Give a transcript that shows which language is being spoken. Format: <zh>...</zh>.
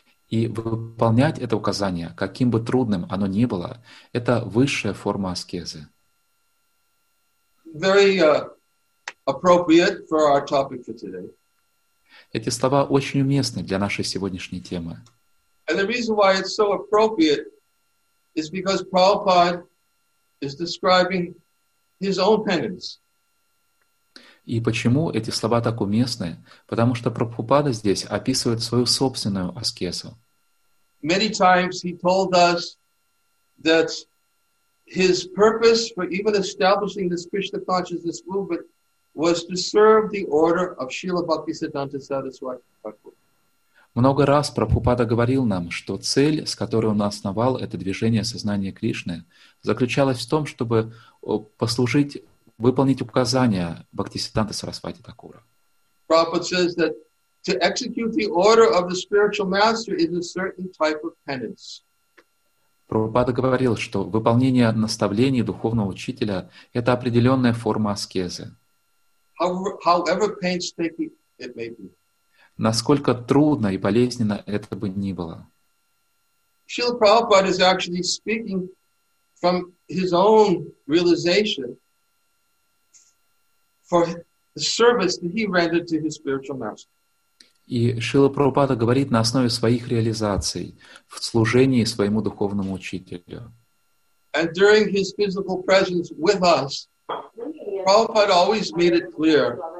<ru>И выполнять это указание, каким бы трудным оно ни было, это высшая форма аскезы.</ru> <en>Very appropriate for our topic for today.</en> <ru>Эти слова очень уместны для нашей сегодняшней темы.</ru> <en>And the reason why it's so appropriate is because Prabhupada is describing his own penance.</en> <ru>И почему эти слова так уместны? Потому что Прабхупада здесь описывает свою собственную аскезу.</ru> <en>Many times he told us that his purpose for even establishing this Krishna consciousness movement was to serve the order of Srila Bhakti Siddhanta Saraswati Thakur.</en> <ru>Много раз Прабхупада говорил нам, что цель, с которой он основал это движение сознания Кришны, заключалась в том, чтобы послужить выполнить указания Бхактисиддханты Сарасвати Такура.</ru> <en>Prabhupada says that to execute the order of the spiritual master is a certain type of penance.</en> <ru>Прабхупада говорил, что выполнение наставлений духовного учителя — это определенная форма аскезы.</ru> <en>However painstaking it may be.</en> <ru>Насколько трудно и болезненно это бы ни было.</ru> <en>Srila Prabhupada is actually speaking from his own realization for the service that he rendered to his spiritual master.</en> <ru>И Шрила Прабхупада говорит на основе своих реализаций в служении своему духовному учителю.</ru> <en>And during his physical presence with us, Prabhupada always made it clear.</en>